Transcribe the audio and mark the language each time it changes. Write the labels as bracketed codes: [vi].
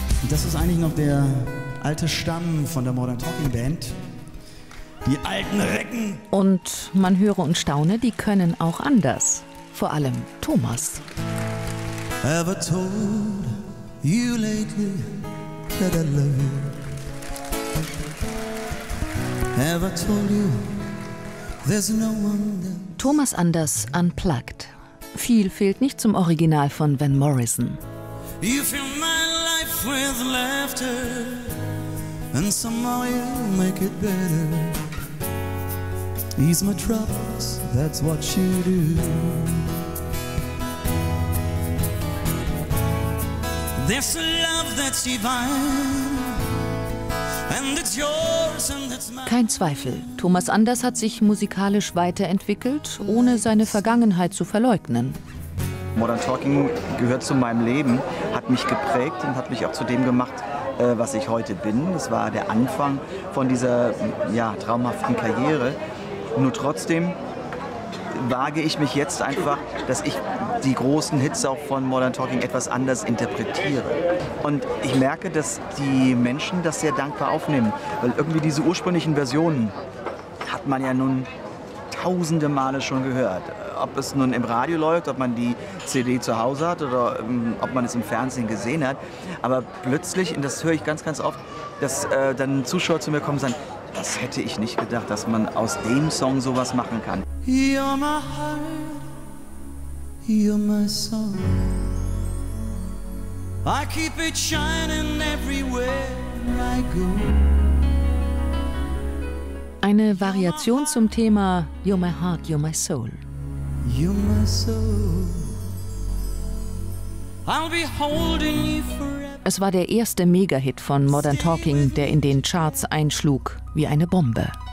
[de] Das ist eigentlich noch der alte Stamm von der Modern Talking Band. Die alten Recken. Und man höre und staune, die können auch anders. Vor allem Thomas. [en] Ever told you lately that I love you? Ever told you there's no one there? [de] Thomas Anders unplugged. Viel fehlt nicht zum Original von Van Morrison. [en] You feel my life with laughter and somehow you make it better. Ease my troubles, that's what you do. There's a love that's divine and it's yours and it's mine. [de] Kein Zweifel, Thomas Anders hat sich musikalisch weiterentwickelt, ohne seine Vergangenheit zu verleugnen. Modern Talking gehört zu meinem Leben, hat mich geprägt und hat mich auch zu dem gemacht, was ich heute bin. Das war der Anfang von dieser traumhaften Karriere. Nur trotzdem wage ich mich jetzt einfach, dass ich die großen Hits auch von Modern Talking etwas anders interpretiere. Und ich merke, dass die Menschen das sehr dankbar aufnehmen, weil irgendwie diese ursprünglichen Versionen hat man ja nun tausende Male schon gehört. Ob es nun im Radio läuft, ob man die CD zu Hause hat oder ob man es im Fernsehen gesehen hat. Aber plötzlich, und das höre ich ganz, ganz oft, dass dann Zuschauer zu mir kommen und sagen, das hätte ich nicht gedacht, dass man aus dem Song sowas machen kann. [en] You're my heart, you're my soul. I keep it shining everywhere I go. [de] Eine Variation zum Thema [en] You're my heart, you're my soul. You're my soul. I'll be holding you forever. [de] Es war der erste Mega-Hit von Modern Talking, der in den Charts einschlug wie eine Bombe.